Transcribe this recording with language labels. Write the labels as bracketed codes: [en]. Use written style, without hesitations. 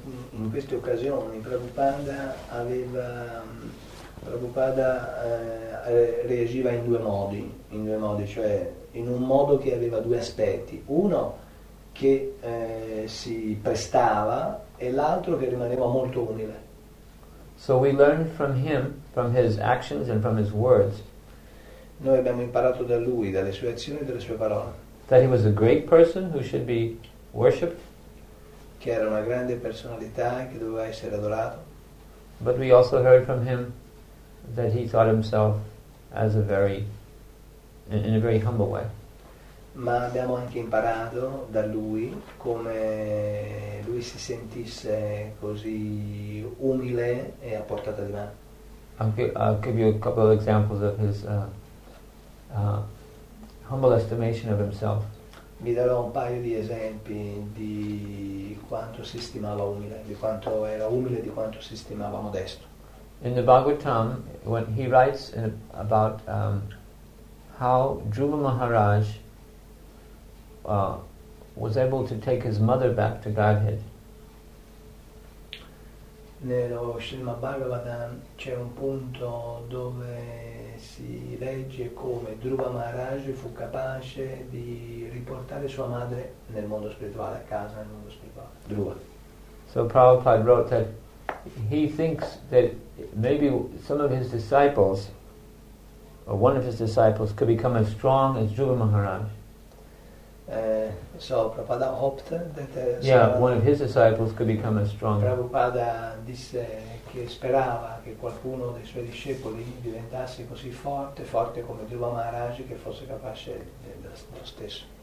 [it] In queste occasioni Prabhupada reagiva in due modi, cioè in un modo che aveva due aspetti, uno che si prestava e l'altro che rimaneva molto umile. [en] So we learn from him, from his actions and from his words. [it] Noi abbiamo imparato da lui, dalle sue azioni e dalle sue parole. [en] That he was a great person who should be worshipped. [it] Che era una grande personalità che doveva essere adorato. [en] But we also heard from him that he thought himself as a very, in a very humble way. [it] Ma abbiamo anche imparato da lui come lui si sentisse così umile e a portata di mano. [en] I'll give you a couple of examples of his humble estimation of himself. [it] Vi darò un paio di esempi di quanto si stimava umile, di quanto era umile, di quanto si stimava modesto. [en] In the Bhagavatam, when he writes about how Dhruva Maharaj was able to take his mother back to Godhead. [it] Nello Srimad Bhagavatam c'è un punto dove si legge come Dhruva Maharaj fu capace di riportare sua madre nel mondo spirituale, a casa nel mondo spirituale. [en] Dhruva. So Prabhupada wrote that he thinks that maybe some of his disciples, or one of his disciples, could become as strong as Dhruva Maharaj. So Prabhupada opted that one of his disciples could become as strong. [it] Prabhupada disse che sperava che qualcuno dei suoi discepoli diventasse così forte come Dhruva Maharaj, che fosse capace dello stesso.